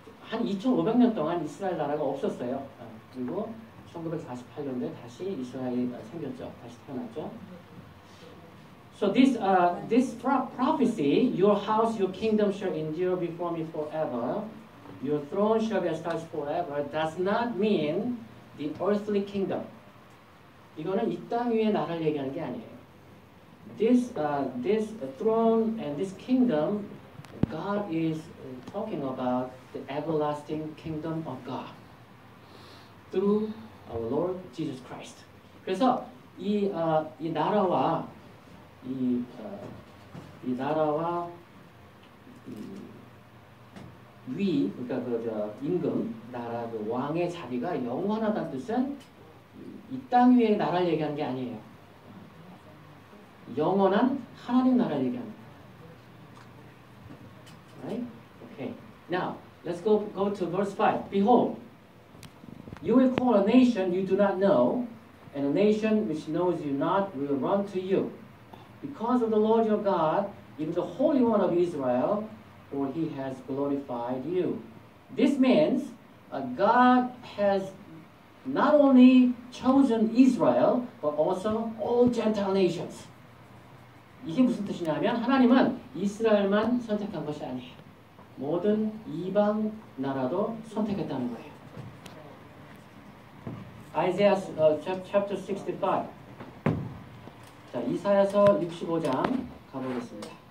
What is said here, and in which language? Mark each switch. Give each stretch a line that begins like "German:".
Korean: 한 2500년 동안 이스라엘 나라가 없었어요. 그리고 1948년에 다시 이스라엘이 생겼죠. 다시 태어났죠.
English: So this this prophecy, your house, your kingdom shall endure before me forever. Your throne shall be established forever. Does not mean the earthly kingdom.
Korean: 이거는 이 땅 위에 나라를 얘기하는 게 아니에요.
English: This this throne and this kingdom, God is talking about the everlasting kingdom of God through our Lord Jesus Christ.
Korean: 그래서 이 이 나라와 이 이 나라와 위 그러니까 그 저 임금 나라 그 왕의 자리가 영원하다는 뜻은 이 땅 위에 나라를 얘기하는 게 아니에요. 영원한 하나님 나라를 얘기합니다.
English: Right? Okay. Now, let's go to verse 5. Behold, you will call a nation you do not know, and a nation which knows you not will run to you. Because of the Lord your God, even the Holy One of Israel, for he has glorified you. This means God has not only chosen Israel, but also all Gentile nations.
Korean: 이게 무슨 뜻이냐면 하나님은 이스라엘만 선택한 것이 아니에요. 모든 이방 나라도 선택했다는 거예요.
English: Isaiah chapter 65.
Korean: 자, 이사야서 65장 가보겠습니다.